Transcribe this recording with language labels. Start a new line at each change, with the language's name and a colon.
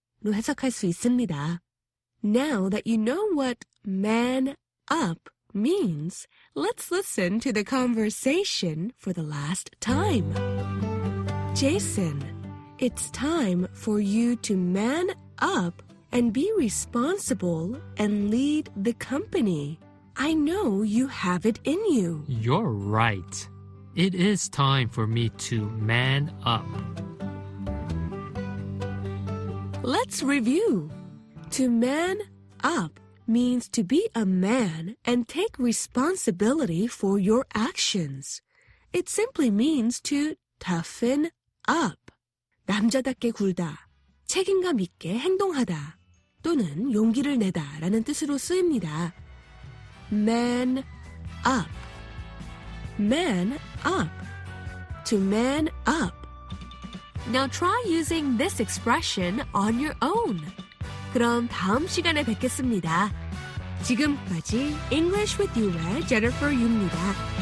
Korean: 로 해석할 수 있습니다.
English: Now that you know what man up means, let's listen to the conversation for the last time. Jason, it's time for you to man up and be responsible and lead the company. I know you have it in you. You're right. It is time for me to man up. Let's review. To man up means to be a man and take responsibility for your actions. It simply means to toughen up.
Korean: 남자답게 굴다, 책임감 있게 행동하다, 또는 용기를 내다 라는 뜻으로 쓰입니다.
English: Man up. Man up. To man up. Now try using this expression on your own.
Korean: 그럼 다음 시간에 뵙겠습니다. 지금까지 English with You의 Jennifer Yu입니다.